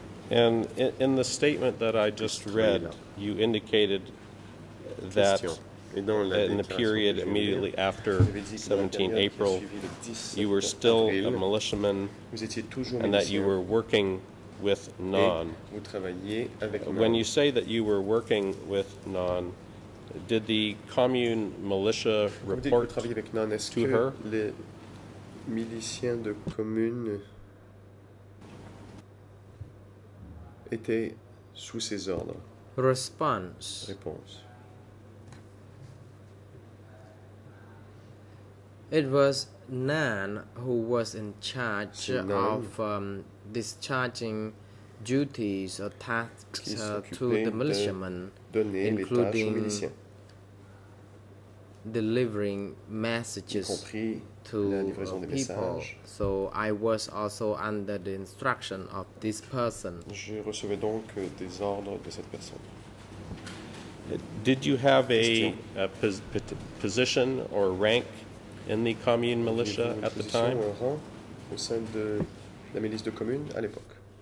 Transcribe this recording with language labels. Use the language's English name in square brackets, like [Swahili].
[English] And in the statement that I just read, you indicated that in the period immediately after 17 April, you were still a militiaman and that you were working with Nan. When you say that you were working with Nan, did the commune militia report to her? [French] Les miliciens de commune étaient sous ses ordres. [English] Response. It was Nan, who was in charge of discharging duties or tasks to the militiamen, including delivering messages to people. So I was also under the instruction of this person. [French] Je recevais donc des ordres de cette personne. [English] Did you have a position or rank in the commune militia at the time? [French] Un rang au sein de la milice de commune à l'époque.